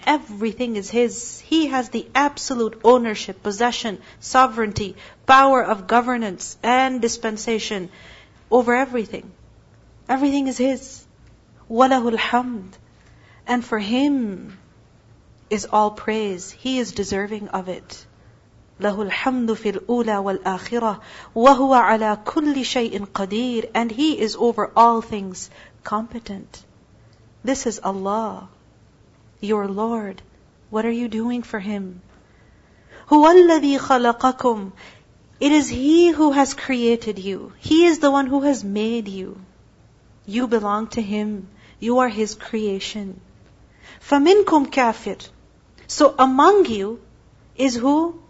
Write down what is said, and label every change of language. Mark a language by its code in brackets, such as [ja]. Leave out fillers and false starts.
[en] Everything is His. He has the absolute ownership, possession, sovereignty, power of governance and dispensation over everything. Everything is His. [ar] وَلَهُ الْحَمْدُ [en] And for Him is all praise. He is deserving of it. [ar] لَهُ الْحَمْدُ فِي الْأُولَى وَالْآخِرَةِ وَهُوَ عَلَىٰ كُلِّ شَيْءٍ قَدِيرٍ [en] And He is over all things competent. This is Allah, your Lord. What are you doing for Him? [ar] هُوَ الَّذِي خَلَقَكُمْ [en] It is He who has created you. He is the one who has made you. You belong to Him. You are His creation. [ar] فَمِنْكُمْ كَافِرٌ [en] So among you is who?